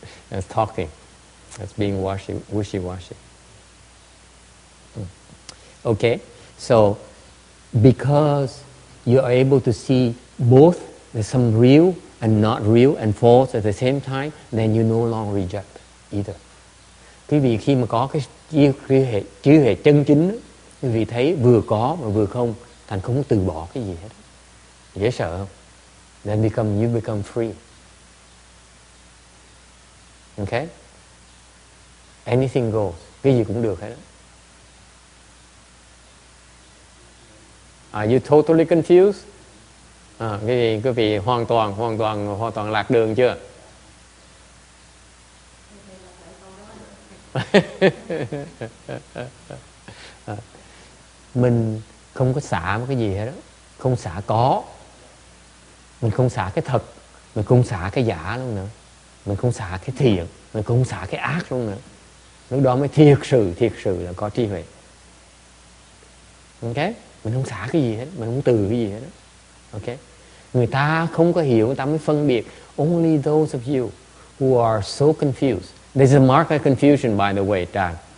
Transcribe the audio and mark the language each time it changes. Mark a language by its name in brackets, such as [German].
[English] That's talking. That's being wishy-washy. Okay? So, because you are able to see both, there's some real and not real and false at the same time, then you no longer reject either. [Vietnamese] Quý vị khi mà có cái trí huệ chân chính, quý vị thấy vừa có mà vừa không, thành không từ bỏ cái gì hết. Dễ sợ không? [English] Then you become free. Okay? Anything goes. [Vietnamese] Cái gì cũng được hết. [English] Are you totally confused? [Vietnamese] Quý vị hoàn toàn lạc đường chưa? Mình không có xả một cái gì hết. Không xả có. Mình không xả cái thật. Mình không xả cái giả luôn nữa. Mình không xả cái thiện. Mình không xả cái ác luôn nữa. Lúc đó mới thiệt sự là có trí huệ. [English] Okay? [Vietnamese] Mình không xả cái gì hết. Mình không từ cái gì hết. Okay? Người ta không có hiểu, người ta mới phân biệt. [English] Only those of you who are so confused. This is a mark of confusion, by the way, Dan.